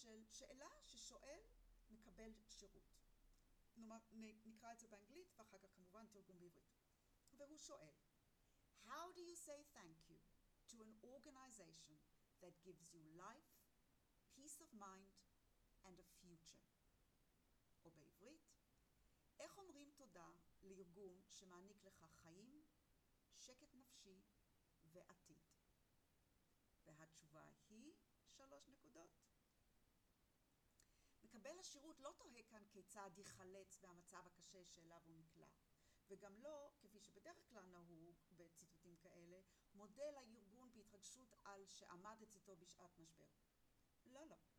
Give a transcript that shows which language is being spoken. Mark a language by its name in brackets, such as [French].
[Hebrew] שאלה ששואל מקבל שירות. נקרא את זה באנגלית ואחר כך כמובן תרגום בעברית. והוא שואל, [English] How do you say thank you to an organization that gives you life, peace of mind and a future? [Hebrew] או בעברית, איך אומרים תודה לארגון שמעניק לך חיים, שקט נפשי ועתיד? והתשובה היא 3 נקודות. מקבל השירות לא תוהה כאן כיצד ייחלץ מהמצב הקשה שאליו הוא נקלע, וגם לא, כפי שבדרך כלל נהוג בציטוטים כאלה, מודה לארגון בהתרגשות על שעמד אצלו בשעת משבר. לא, לא.